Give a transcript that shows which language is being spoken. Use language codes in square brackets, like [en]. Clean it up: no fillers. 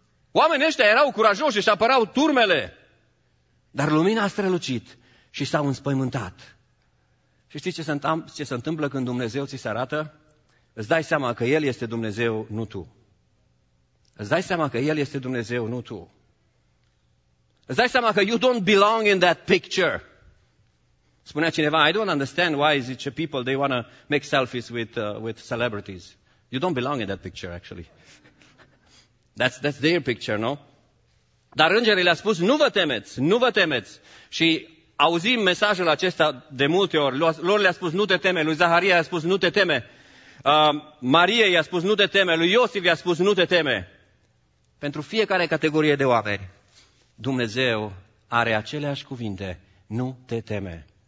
[ro] Oamenii ăștia erau curajoși și apărau turmele, dar lumina a strălucit și s-au înspăimântat. Și știi ce se întâmplă când Dumnezeu ți se arată? Îți dai seama că El este Dumnezeu, nu tu. Îți dai seama că El este Dumnezeu, nu tu. Îți dai seama că [en] you don't belong in that picture. [ro] Spunea cineva, [en] I don't understand why [ro] zice [en] people, they want to make selfies with celebrities. You don't belong in that picture, actually. That's their picture, no? [ro] Dar îngerii le-a spus, nu vă temeți, nu vă temeți. Și auzim mesajul acesta de multe ori. Lor le-a spus, nu te teme. Lui Zaharia i-a spus, nu te teme. Marie i-a spus, nu te teme. Lui Iosif i-a spus, nu te teme. Pentru fiecare categorie de oameni, Dumnezeu are aceleași cuvinte, nu te teme.